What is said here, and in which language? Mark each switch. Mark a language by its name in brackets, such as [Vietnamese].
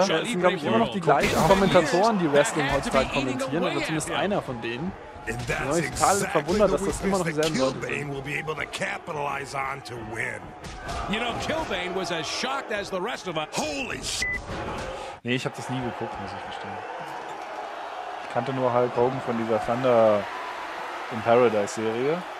[German] Es sind, glaube ich, immer noch die gleichen Kommentatoren, die Wrestling heutzutage kommentieren, oder zumindest einer von denen. Und das ist total verwundert, dass das immer noch dieselben Leute sind. [English] Kilbane will be able to capitalize on to win. You know, Kilbane was as shocked as the rest of us. Holy sh! [German] Nee, ich hab das nie geguckt, muss ich verstehen. Ich kannte nur Hulk Hogan von dieser Thunder in Paradise Serie.